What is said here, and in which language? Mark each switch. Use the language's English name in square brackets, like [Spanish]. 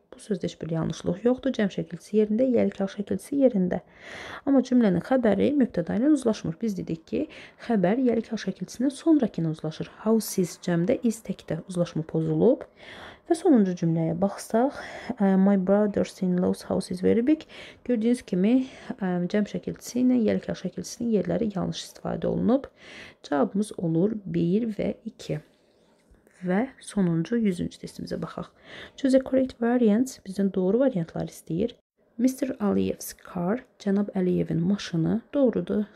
[Azerbaijani] Bu sözdə heç bir yanlışlıq yoxdur. Cəm şəkildəsi yerində, yəlik hal şəkildəsi yerində. Amma cümlənin xəbəri mübtəda ilə uzlaşmır. Biz dedik ki, xəbər yəlik hal şəkildəsindən sonrakı ilə uzlaşır. Houses cəmdə, is təkdə uzlaşma pozulub. Və sonuncu cümləyə baxsaq. [English] My brothers-in-law's house is very big. [Azerbaijani] Gördüyünüz kimi, cəm şəkildəsi ilə yəlik hal şəkildəsinin yerləri yanlış istifadə olunub. Cavabımız olur 1 və 2. Və sonuncu 100-cü testimizə baxaq. [English] Choose the correct variants. [Azerbaijani] Bizdən doğru variantlar istəyir. [English] Mr. Aliyev's car. [Azerbaijani] Cənab Aliyevin maşını. Doğrudur.